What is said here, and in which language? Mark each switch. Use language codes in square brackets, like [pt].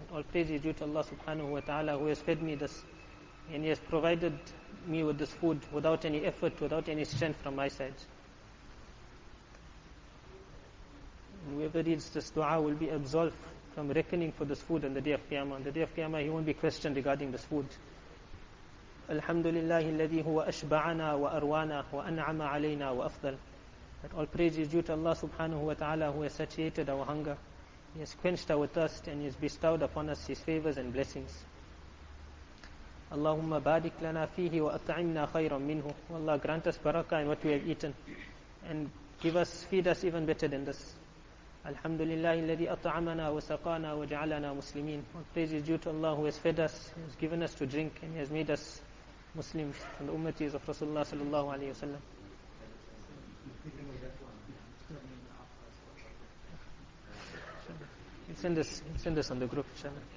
[en] All praise is due to Allah subhanahu wa ta'ala, who has fed me this and he has provided me with this food without any effort, without any strength from my side. And whoever reads this dua will be absolved from reckoning for this food on the day of Qiyamah. On the day of Qiyamah, he won't be questioned regarding this food. [ar] الحمد لله الذي هو أشبعنا وأروانا وأنعم علينا وأفضل. [en] That all praise is due to Allah subhanahu wa ta'ala, who has satiated our hunger. He has quenched our thirst and he has bestowed upon us his favors and blessings. [ar] اللهم بارك لنا فيه وأطعمنا خيرا منه. [en] Allah grant us barakah in what we have eaten and feed us even better than this. [ar] الحمد لله الذي أطعمنا وسقانا وجعلنا مسلمين. [en] All praise is due to Allah who has fed us, he has given us to drink and he has made us Muslims and the ummatis of Rasulullah sallallahu alayhi wa sallam. send us on the group, inshallah.